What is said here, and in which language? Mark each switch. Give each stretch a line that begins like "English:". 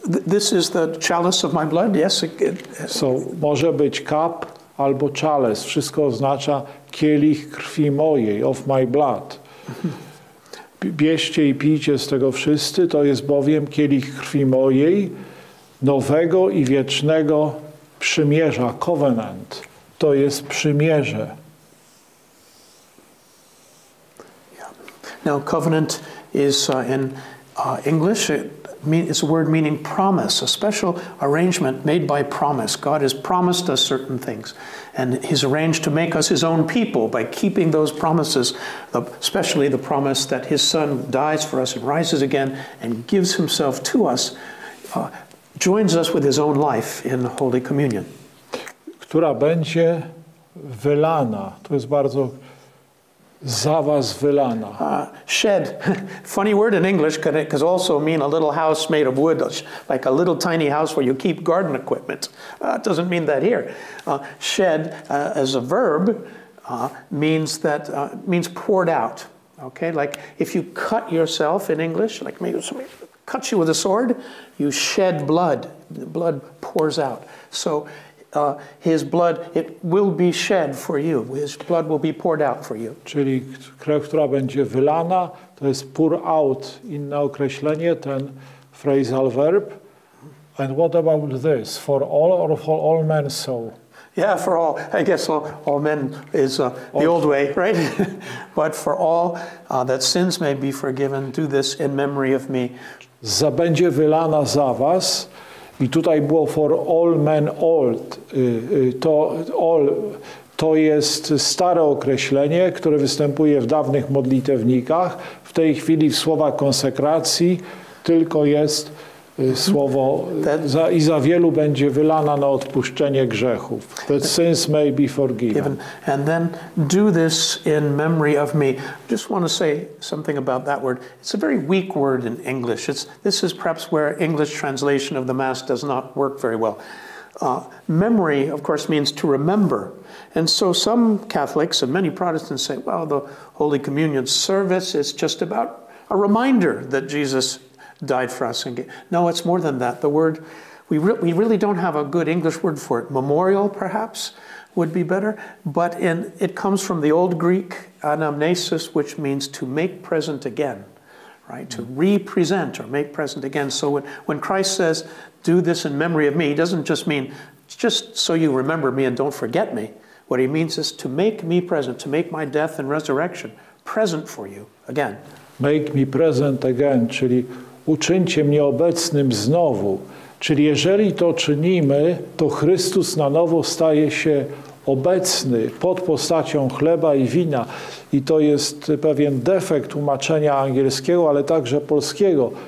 English: This is the chalice of my blood, yes.
Polish: So, może być cup albo chalice. Wszystko oznacza kielich krwi mojej,
English: of my blood.
Polish: Bierzcie i pijcie z tego wszyscy, to jest bowiem kielich krwi mojej, nowego i wiecznego przymierza, covenant. To jest przymierze.
English: Now, covenant is in English. It's a word meaning promise, a special arrangement made by promise. God has promised us certain things, and he's arranged to make us his own people by keeping those promises, especially the promise that his son dies for us and rises again and gives himself to us, joins us with his own life in Holy Communion.
Polish: Która będzie wylana. To jest bardzo... Za was wylana.
English: Shed. Funny word in English, can it could also mean a little house made of wood, like a little tiny house where you keep garden equipment. It doesn't mean that here. Shed as a verb means that means poured out. Okay, like if you cut yourself in English, like maybe somebody cuts you with a sword, you shed blood. The blood pours out. So his blood, it will be shed for you. His blood will be poured out for you.
Polish: Czyli krew, która będzie wylana, to jest
English: pour out,
Polish: inne określenie, ten phrasal verb.
English: And what about this? For all or for all men so? Yeah, for all. I guess all men is the old way, right? But for all that sins may be forgiven, do this in memory of me.
Polish: Będzie wylana za was. I tutaj było
English: for all men old.
Polish: To, all, to jest stare określenie, które występuje w dawnych modlitewnikach. W tej chwili w słowach konsekracji tylko jest słowo i za wielu będzie wylana na odpuszczenie grzechów.
English: That sins may be forgiven. And then do this in memory of me. Just want to say something about that word. It's a very weak word in English. This is perhaps where English translation of the Mass does not work very well. Memory, of course, means to remember. And so some Catholics and many Protestants say, well, the Holy Communion service is just about a reminder that Jesus died for us. No, it's more than that. The word, we really don't have a good English word for it. Memorial, perhaps, would be better. But it comes from the old Greek anamnesis, which means to make present again, right? To represent or make present again. So when Christ says, do this in memory of me, he doesn't just mean, just so you remember me and don't forget me. What he means is to make me present, to make my death and resurrection present for you again. Make me present again,
Polish: czyli uczyńcie mnie obecnym znowu. Czyli jeżeli to czynimy, to Chrystus na nowo staje się obecny pod postacią chleba i wina. I to jest pewien defekt tłumaczenia angielskiego, ale także polskiego.